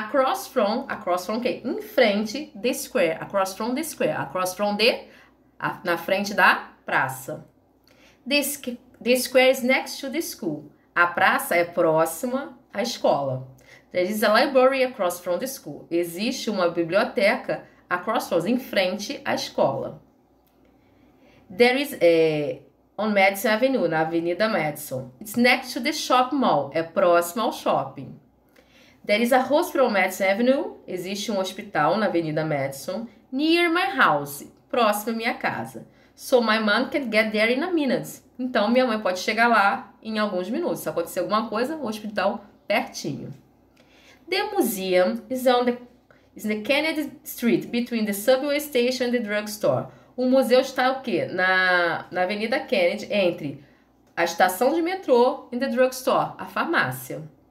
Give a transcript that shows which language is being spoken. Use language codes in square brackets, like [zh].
[en] Across from [pt] o quê? Em frente [en] the square. Across from the square. Across from the, [pt] na frente da praça. [en] The square is next to the school. [pt] A praça é próxima à escola. [en] There is a library across from the school. [pt] Existe uma biblioteca across from, em frente à escola. [en] There is on Madison Avenue, [pt] na Avenida Madison. [en] It's next to the shopping mall. [pt] É próximo ao shopping. [en] There is a hospital on Madison Avenue. [pt] Existe um hospital na Avenida Madison. [en] Near my house. [pt] próximo à minha casa. [en] So my mom can get there in a minute. [pt] Então, minha mãe pode chegar lá em alguns minutos. Se acontecer alguma coisa, o hospital pertinho. [en] The museum is on the, Kennedy Street, between the subway station and the drugstore. [pt] O museu está o quê? Na Avenida Kennedy, entre a estação de metrô e the drugstore, a farmácia.